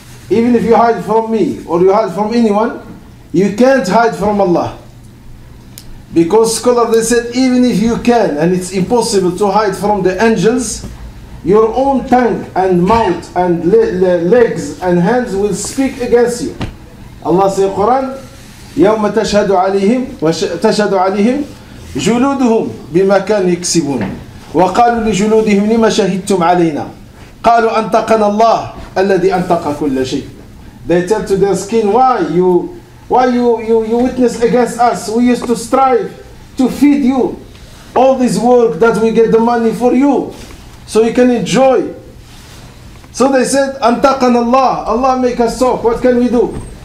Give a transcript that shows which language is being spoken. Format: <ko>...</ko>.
<en>Even if you hide from me or you hide from anyone, you can't hide from Allah. Because scholars, they said, even if you can and it's impossible to hide from the angels, your own tongue and mouth and legs and hands will speak against you. Allah says in the Quran,</en> <ar>يوم تشهد عليهم وتشهد عليهم جلودهم بما كانوا يكسبون وقالوا لجلودهم لما شهدتم علينا قالوا أنتقنا الله الذي أنتق كل شيء.</ar> <en>They tell to their skin, why you witness against us? We used to strive to feed you all this work that we get the money for you so you can enjoy. So they said,</en> <ar>أنتقنا الله,</ar> <en>Allah make us talk, what can we do?</en>